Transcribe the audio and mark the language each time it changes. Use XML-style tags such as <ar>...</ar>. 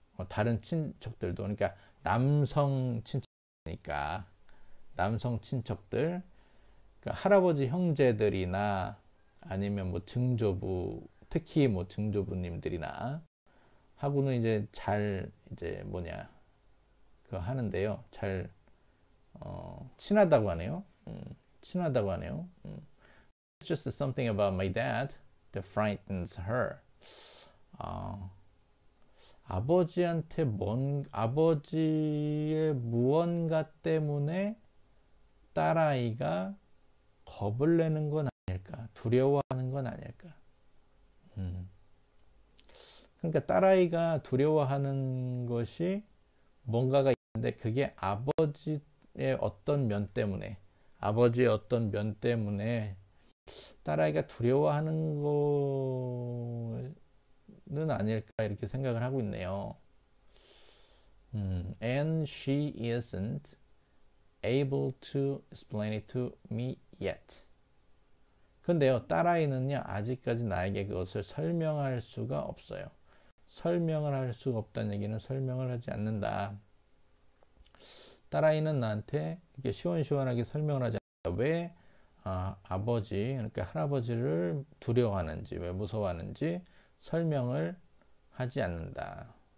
<ko>다른 친척들도, 그러니까 남성 친척이니까, 남성 친척들, 그러니까 할아버지 형제들이나 아니면 뭐 증조부, 특히 뭐 증조부님들이나 하고는 이제 잘 이제 뭐냐 그 하는데요, 잘 친하다고 하네요. 친하다고 하네요.</ko> <en>It's just something about my dad that frightens her.</en> <ko>아버지한테 아버지의 무언가 때문에 딸아이가 겁을 내는 건 아닐까, 두려워하는 건 아닐까. 그러니까 딸아이가 두려워하는 것이 뭔가가 있는데 그게 아버지 예, 어떤 면 때문에, 아버지의 어떤 면 때문에 딸아이가 두려워하는 거는 아닐까 이렇게 생각을 하고 있네요.</ko> <en>And she isn't able to explain it to me yet.</en> <ko>근데요, 딸아이는요, 아직까지 나에게 그것을 설명할 수가 없어요. 설명을 할 수가 없다는 얘기는 설명을 하지 않는다. 딸아이는 나한테 이렇게 시원시원하게 설명을 하지 않는다. 왜 아버지, 그러니까 할아버지를 두려워하는지, 왜 무서워하는지 설명을 하지 않는다.</ko>